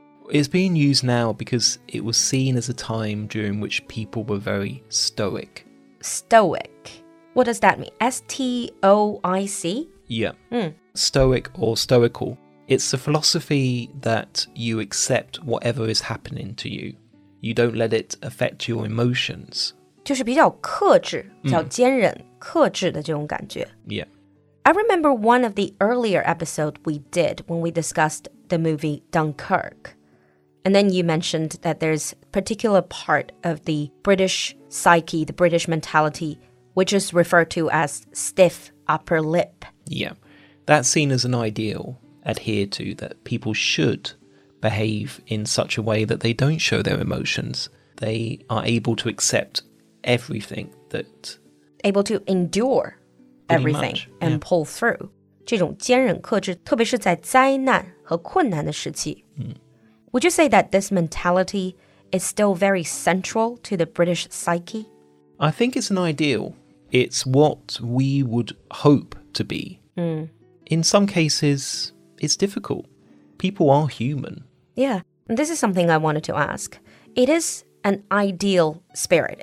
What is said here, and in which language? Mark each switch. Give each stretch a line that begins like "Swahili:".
English: It's being used now because it was seen as a time during which people were very stoic. Stoic. What does that mean? S-T-O-I-C? Yeah. Mm. Stoic or stoical. It's the philosophy that you accept whatever is happening to you. You don't let it affect your emotions.
Chinese: 就是比较克制,叫坚韧,克制的这种感觉。
English: Yeah. I remember one of the earlier episodes we did when we discussed the movie Dunkirk. And then you mentioned that there's a particular part of the British psyche, the British mentality, which is referred to as stiff upper lip. Yeah, that's seen as an ideal adhered to, that people should behave in such a way that they don't show their emotions. They are able to accept everything that... Able to endure everything and pull through.
Chinese: 这种坚韧克制,特别是在灾难和困难的时期。
English: Would you say that this mentality is still very central to the British psyche? I think it's an ideal. It's what we would hope to be. Mm. In some cases, it's difficult. People are human. Yeah, and this is something I wanted to ask. It is an ideal spirit.